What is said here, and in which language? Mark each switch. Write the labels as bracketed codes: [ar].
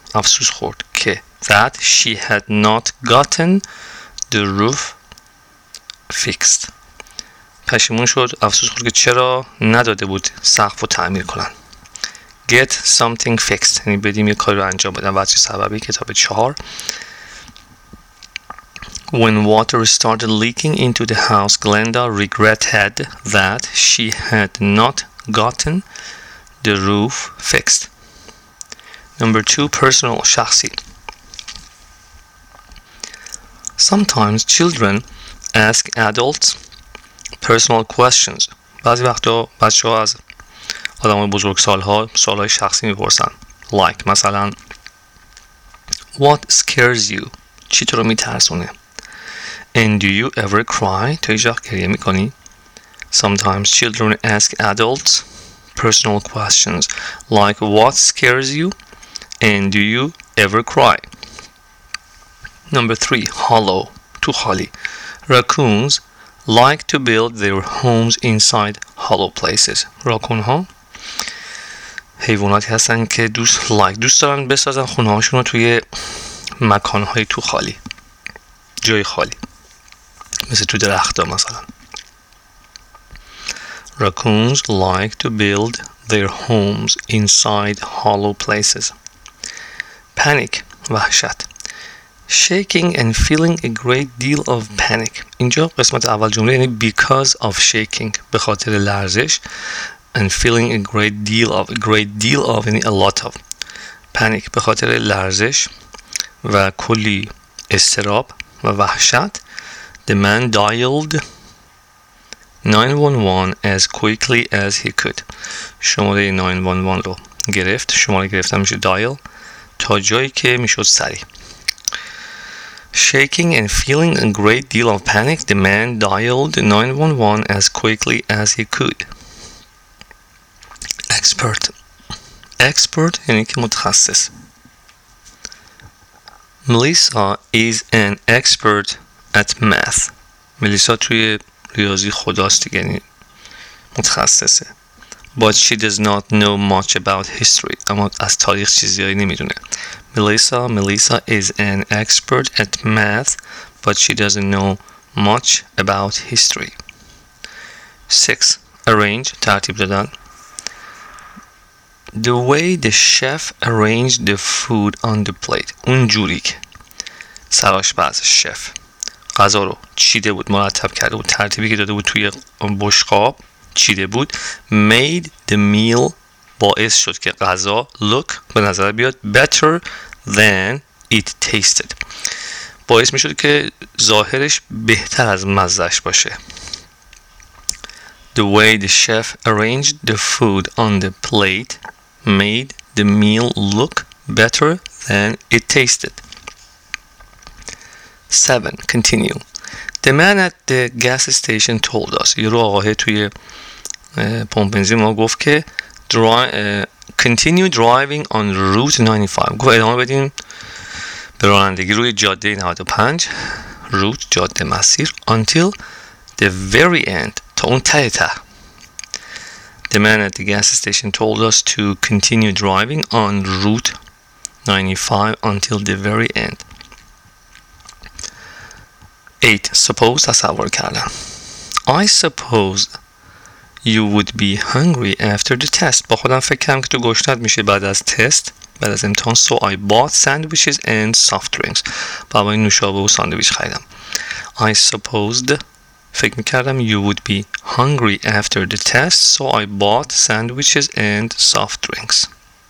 [fa] افسوس خورد که [en] that she had not gotten the roof fixed. [fa] پشیمون شد. افسوس خورد که چرا نداده بود سقف رو تعمیر کنن. [en] Get something fixed. [fa] یعنی بدیم یک کار رو انجام بدن. وجه سببی کتاب 4. [en] When water started leaking into the house, Glenda regretted that she had not gotten the roof fixed. Number 2. Personal. شخصی. Sometimes children ask adults personal questions. [fa] بعضی وقتا بچه ها از آدم های بزرگ سالها سوالهای شخصی میپرسن. [en] Like مثلا What scares you? [fa] چی تو رو میترسونه؟ [en] And do you ever cry? [fa] تو ایجا گریه میکنی؟ [en] Sometimes children ask adults personal questions like What scares you? And do you ever cry? Number 3. Hollow. تو خالی. Raccoons like to build their homes inside hollow places. [fa] Raccoon ها حیواناتی هستن که دوست دارن بسازن خونه هاشون رو توی مکان های تو خالی، جای خالی، مثل تو درخت ها مثلا. [en] Raccoons like to build their homes inside hollow places. Panic، وحشت. Shaking and feeling a great deal of panic. [fa] اینجا قسمت اول جمله یعنی [en] because of shaking، [fa] به خاطر لرزش. [en] And feeling a great deal of, and a lot of panic. [fa] به خاطر لرزش و کلی استراب و وحشت. [en] The man dialed 911 as quickly as he could. [fa] شماره 911 رو گرفت. شماره گرفتن میشه dial. تا جایی که میشد سریع. [en] Shaking and feeling a great deal of panic, the man dialed 911 as quickly as he could. [fa] Expert یعنی که متخصص. [en] Melissa is an expert at math. [fa] ملیسا توی ریاضی خداست دیگه، یعنی متخصصه. [en] But she does not know much about history. [fa] اما از تاریخ چیزی نمیدونه. [en] Melissa is an expert at math, but she doesn't know much about history. [fa] 6. Arrange, ترتیب دادن. [en] The way the chef arranged the food on the plate. [fa] اون جوری که سرآشپز شف غذا رو چیده بود، مرتب کرده بود، ترتیبی که داده بود توی بشقاب چیده بود. [en] Made the meal، [fa] باعث شد که غذا [en] look [fa] به نظر بیاد [en] better than it tasted. [fa] باعث می شد که ظاهرش بهتر از مزهش باشه. [en] The way the chef arranged the food on the plate made the meal look better than it tasted. 7. Continue. The man at the gas station told us. [fa] یارو آقاه توی پمپ بنزین ما گفت که [en] continue driving on route 95. [fa] گفت ادامه بدین به رانندگی روی جاده 95. Route جاده مسیر. [en] Until the very end. [fa] تا اون ته ته. [en] The man at the gas station told us to continue driving on route 95 until the very end. [fa] 8. Suppose تصور کردم. [en] I suppose you would be hungry after the test. [fa] با خودم فکر کردم که تو گشنت میشی بعد از تست، بعد از امتحان. [en] So I bought sandwiches and soft drinks. [fa] بابا این نوشابه و ساندویچ خریدم. [en] I supposed [fa] فکر میکردم [en] you would be hungry after the test. So I bought sandwiches and soft drinks.